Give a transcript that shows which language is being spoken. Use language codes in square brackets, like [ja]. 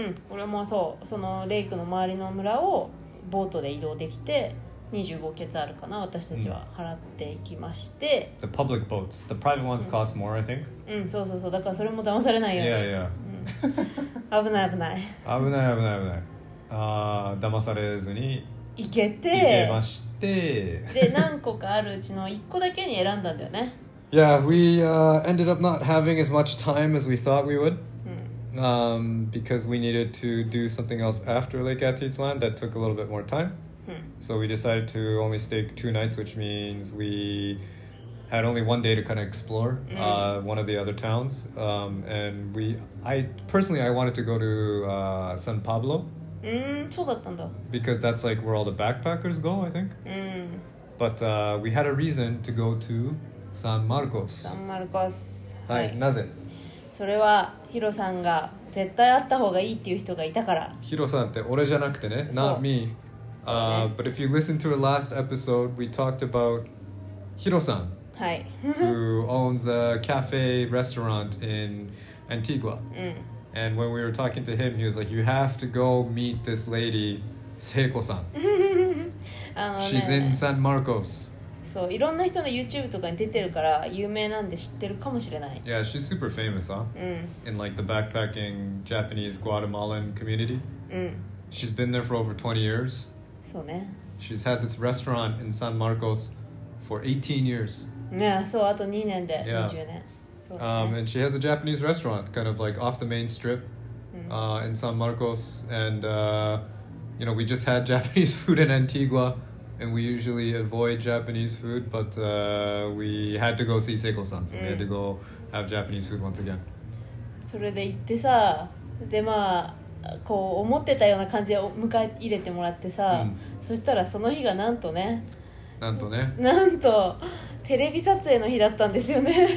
[ja] 俺もそう、そのレイクの周りの村をボートで移動できて25ケツあるかな、私たちは払っていきまして、 [en] The public boats, the private ones cost more, I think. [ja] そう、だからそれも騙されないよね。 [en] Yeah. [ja] 危ない。騙されずに行けまして、で何個かあるうちの1個だけに選んだんだよね。 [en] Yeah, we ended up not having as much time as we thought we would. Because we needed to do something else after Lake Atitlan that took a little bit more time. So we decided to only stay 2 nights, which means we had only 1 day to kind of explore one of the other towns. And I personally wanted to go to San Pablo. [ja] そうだったんだ。 [en] Because that's like where all the backpackers go, I think. But we had a reason to go to San Marcos. [ja] はい、なぜ？それはヒロさんが絶対会った方がいいっていう人がいたから。ヒロさんって俺じゃなくてね、 [en] not me. But if you listen to our last episode, we talked about ヒロさん、 [ja] はい、 [en] who owns a cafe restaurant in Antigua. And when we were talking to him, he was like, "You have to go meet this lady, Seiko さん." She's in San Marcos. [ja] そう、いろんな人の YouTube とかに出てるから有名なんで知ってるかもしれない。 [en] Yeah, she's super famous, huh? In like the backpacking Japanese Guatemalan community. She's been there for over 20 years. [ja] そうね。 [en] She's had this restaurant in San Marcos for 18 years. [ja] ね、そう、あと2年で20年。 [en] Yeah. And she has a Japanese restaurant kind of like off the main strip in San Marcos. And, you know, we just had Japanese food in Antigua. And we usually avoid Japanese food, but we had to go see Seiko-san, so we had to go have Japanese food once again. [ja] それで行ってさ、でまあこう思ってたような感じで迎え入れてもらってさ、そしたらその日がなんとね、なんとね、なんとテレビ撮影の日だったんですよね。